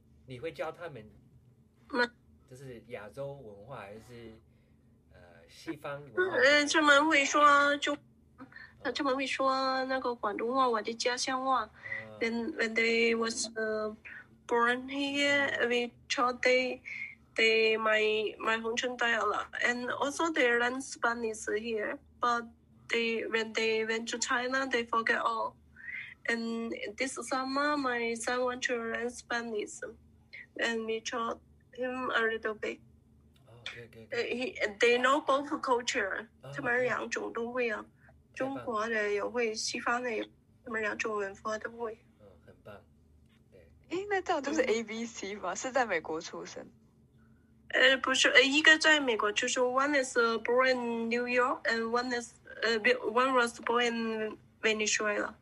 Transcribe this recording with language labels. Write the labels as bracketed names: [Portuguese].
[Chinese] 你会教他们，就是亚洲文化还是西方文化？他们会说他们会说那个广东话，我的家乡话。 [English] When they was born here, we taught they my Hong Chun dialogue, and also they learn Spanish here, but when they went to China, they forget all. And this summer, my son want to learn Spanish, and we taught him a little bit. Oh, good. They know both culture. [Chinese] 他们两种都会啊，中国的也会，西方的也，他们两种文化都会。很棒。诶，那这样就是 ABC 吧？是在美国出生。不是，一个在美国出生 [English] ，one is born in New York， and one was born in Venezuela。